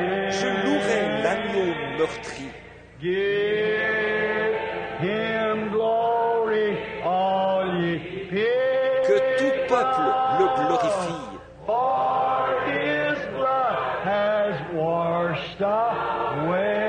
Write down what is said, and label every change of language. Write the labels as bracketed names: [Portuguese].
[French] Je louerai l'agneau meurtri. [English] Give him glory, all ye people. [French] Que tout peuple le glorifie. [English] For his blood has washed away.